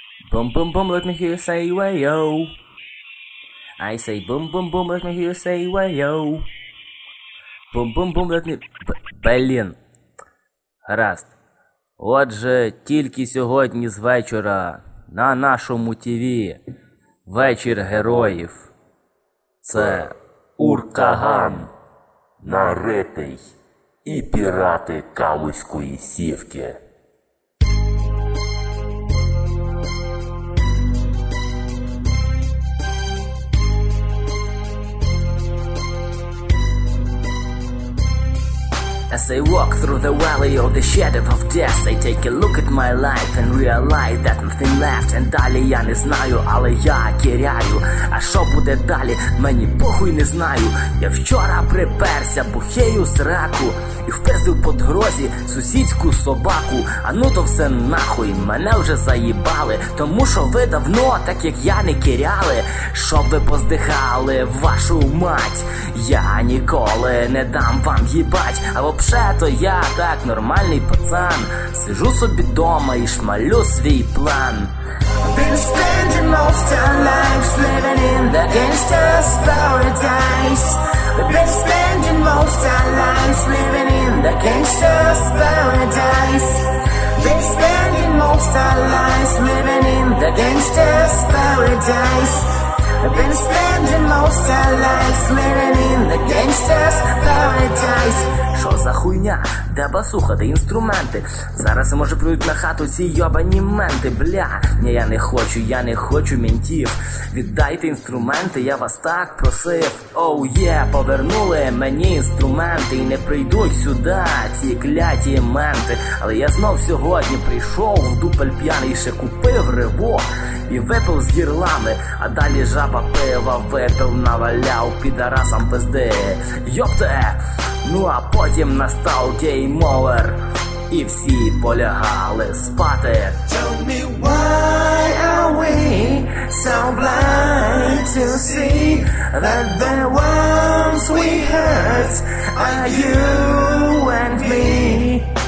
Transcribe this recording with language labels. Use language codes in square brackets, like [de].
[en] boom, boom, boom, let me hear you say way-o. I say boom, boom, boom, let me hear you say way-o. Boom, boom, boom, let me... [uk] Блін. Раст. Отже, тільки сьогодні з вечора на нашому ТВ вечір героїв. Це Уркаган, Наритий і пірати Калузької сівки. [en] As I walk through the valley of the shadow of death, I take a look at my life and realize that nothing left. [uk] And далі я не знаю, але я киряю. А що буде далі, мені похуй не знаю. Я вчора приперся, бухею сраку і впиздив під грозі сусідську собаку. А ну то все нахуй, мене вже заїбали. Тому що ви давно, так як я, не киряли. Щоб ви поздихали, вашу мать, я ніколи не дам вам їбать. Або взагалі-то я так нормальний пацан, сижу собі дома і шмалю свій план. [en] Been spending most of my life living in the gangster's paradise. Been spending most of my life living in the gangster's paradise. Been spending most of my life living in the gangster's paradise. I've been spending most of my life living in the gangster's paradise. [uk] Що за хуйня? Де басуха, де інструменти? Зараз я може прийдуть на хату ці йобані менти. Бля, ні, я не хочу ментів. Віддайте інструменти, я вас так просив. Оу, є, повернули мені інструменти. І не прийдуть сюди ці кляті менти. Але я знов сьогодні прийшов в дупель п'яний. Ще купив рибо і випив з гірлами. А далі жаба пива випив, наваляв підарасам пизди. Йопте! Ну а потім настав гейм-овер, і всі полягали спати. [en] Tell me why are we so blind to see that the ones we hurt are you and me.